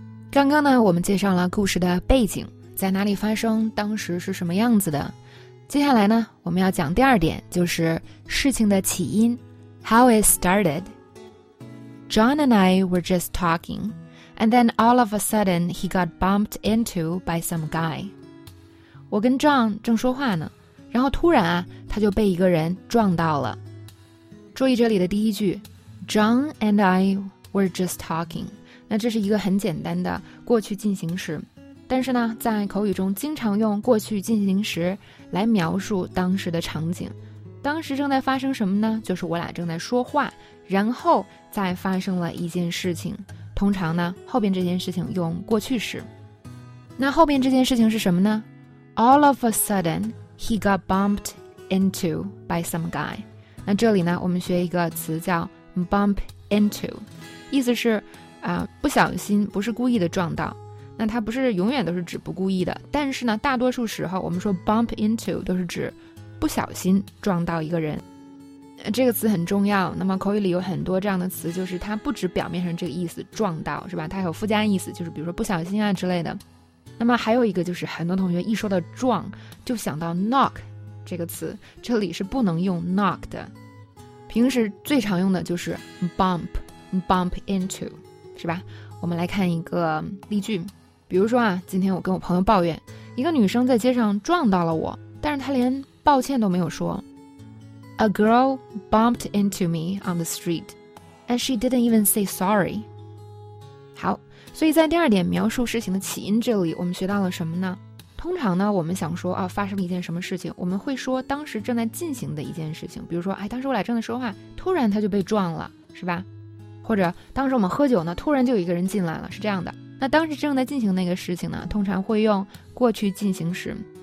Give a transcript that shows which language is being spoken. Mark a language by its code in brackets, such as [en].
[zh] 刚刚呢，我们介绍了故事的背景，在哪里发生，当时是什么样子的。接下来呢，我们要讲第二点，就是事情的起因 , [en] how it started. John and I were just talking, and then all of a sudden he got bumped into by some guy. [zh] 我跟 John 正说话呢，然后突然啊，他就被一个人撞到了。注意这里的第一句 , [en] John and I were just talking. [zh] 那这是一个很简单的过去进行时，但是呢，在口语中经常用过去进行时来描述当时的场景。当时正在发生什么呢？就是我俩正在说话，然后再发生了一件事情。通常呢，后边这件事情用过去时。那后边这件事情是什么呢？ [en] All of a sudden, he got bumped into by some guy. [zh] 那这里呢，我们学一个词叫 bump into， 意思是不小心，不是故意的撞到。那它不是永远都是指不故意的，但是呢，大多数时候我们说 bump into 都是指不小心撞到一个人。这个词很重要。那么口语里有很多这样的词，就是它不止表面上这个意思，撞到是吧？它还有附加意思，就是比如说不小心啊之类的。那么还有一个就是很多同学一说到撞，就想到 knock 这个词，这里是不能用 knock 的。平时最常用的就是 bump into。是吧？我们来看一个例句，比如说啊，今天我跟我朋友抱怨，一个女生在街上撞到了我，但是她连抱歉都没有说。 [en] A girl bumped into me on the street, and she didn't even say sorry. [zh] 好，所以在第二点描述事情的起因这里，我们学到了什么呢？通常呢，我们想说啊，发生了一件什么事情，我们会说当时正在进行的一件事情，比如说，哎，当时我俩正在说话，突然她就被撞了，是吧？或者当时我们喝酒呢，突然就有一个人进来了，是这样的。那当时正在进行那个事情呢，通常会用过去进行时。